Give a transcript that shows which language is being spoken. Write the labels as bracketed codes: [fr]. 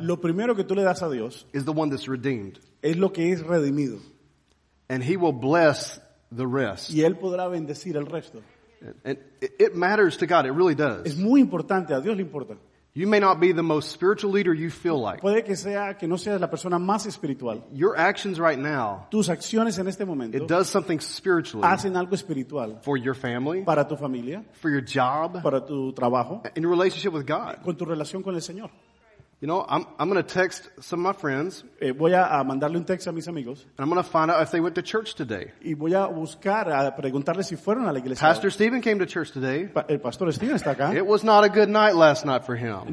[es] lo primero que tú le das a Dios, [en] is the one that's redeemed. [es] Es lo que es redimido. [en] And he will bless the rest. [es] Y él podrá bendecir el resto. [en] And it matters to God, it really does. [es] Es muy importante, a Dios le importa. [en] You may not be the most spiritual leader you feel like. [es] Puede que sea que no seas la persona más espiritual. [en] Your actions right now, [es] tus acciones en este momento, [en] it does something spiritually. [es] Hacen algo espiritual. [en] For your family, [es] para tu familia, [en] for your job, [es] para tu trabajo, [en] in your relationship with God, [es] con tu relación con el Señor. [en] You know, I'm going to text some of my friends. [es] Voy a mandarle un texto a mis amigos. [en] And I'm going to find out if they went to church today. [es] Y voy a buscar a preguntarles si fueron a la iglesia. [en] Pastor Stephen came to church today. [es] El pastor Stephen está acá. [en] It was not a good night last night for him.